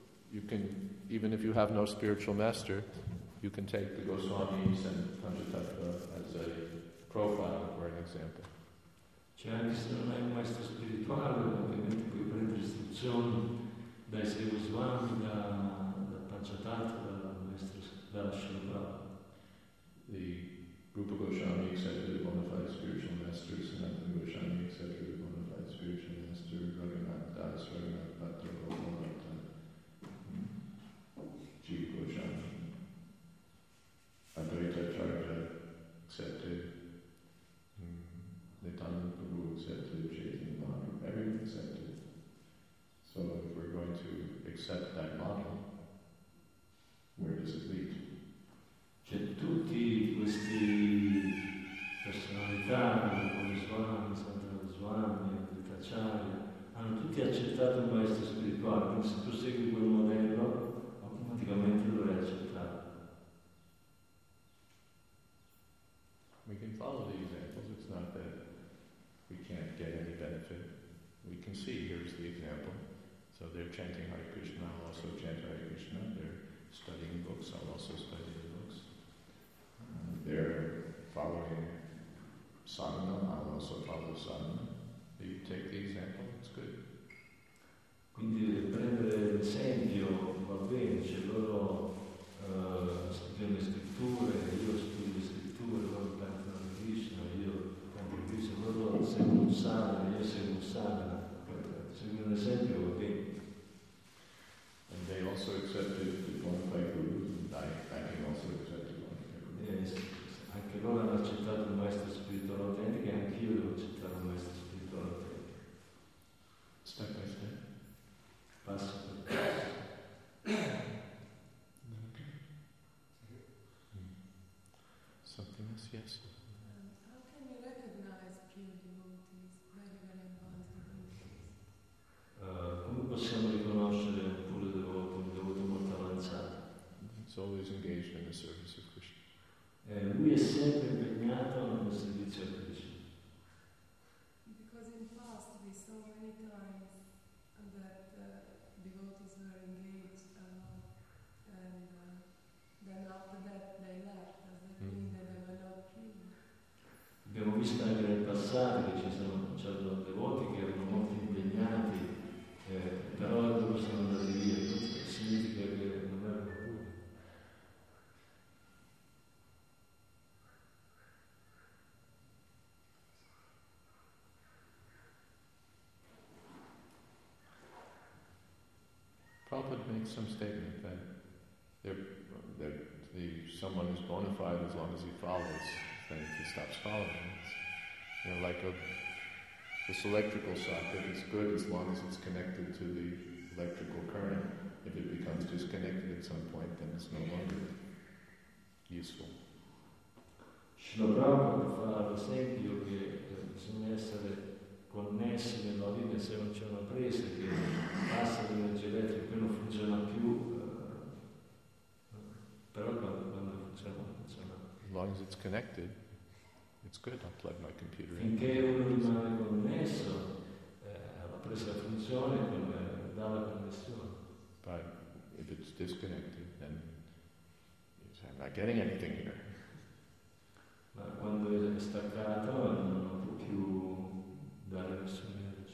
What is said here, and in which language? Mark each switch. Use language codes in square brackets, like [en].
[en] You can, even if you have no spiritual master, you can take the Goswamis and Panchatattva as a profile or an example. [it] Cioè, se non hai un maestro spirituale, ovviamente puoi prendere istruzioni dai sei Goswami, da Panchatattva, dal maestro, dalla Shilpa. [en] The Rupa Goswami accepted the bona fide spiritual master, Sanatana Goswami accepted the bona fide spiritual master, Raghunath Das, Raghunath Bhatta, Raghunath, Jiva Goswami. Advaita Charya accepted, Nityananda Prabhu accepted, Chaitanya Mahaprabhu, everyone accepted. So if we're going to accept that model, where does it lead? [it] Cioè tutti questi personalità, come Swami, Santa Goswami, Vitacharya, hanno tutti accettato un maestro spirituale, quindi se tu segui quel modello, automaticamente dovrai accettarlo. [en] We can follow the examples, it's not that we can't get any benefit. We can see, here's the example. So they're chanting Hare Krishna, I'll also chant Hare Krishna. They're studying books, I'll also study the books. They're following sadhana, I'll also follow sadhana. You take the example, it's good. [it] Quindi prendere l'esempio va bene, cioè loro studiano le scritture, io studio le scritture, loro cantano Krishna, io canto Krishna, loro seguono un sadhana, io seguo un sadhana. Seguire un esempio va bene. [en] And they also accepted the bona fide guru, and I can also accept the bona fide guru. Yes. [it] Anche loro hanno accettato il maestro spirituale autentico e anch'io devo accettare il maestro spirituale autentico. [en] Step by step. [it] Passo per passo. [en] Something else, yes. How can you recognize pure devotees, regular and bhakti devotees? [it] Come possiamo riconoscere un puro devoto, un devoto molto avanzato? [en] It's always engaged in the service of Krishna. [it] Lui è sempre impegnato nel servizio a Krishna. [en] Because in the past we saw many times that devotees were engaged and then after that they left. Does that mean that they were not pure? [it] Abbiamo visto anche nel passato che ci sono certi devoti che erano molto impegnati, però dopo sono andati via. Questo significa che non erano puri. [en] Prabhupada makes some statement that someone is bona fide as long as he follows, then if he stops following, it's, you know, like this electrical socket is good as long as it's connected to the electrical current. If it becomes disconnected at some point, then it's no longer useful. [it] Srila Prabhupada fa l'esempio che bisogna essere connessi nella linea, se non c'è una presa che passa l'energia elettrica, poi non funziona più, però quando funziona, funziona. [en] As long as it's connected, it's good, I'll plug my computer in. [it] Finché uno rimane connesso, la presa funziona, come dà la connessione. [en] But if it's disconnected, then you say, I'm not getting anything here. [it] Ma quando è staccato, non ho più dare nessuna energia.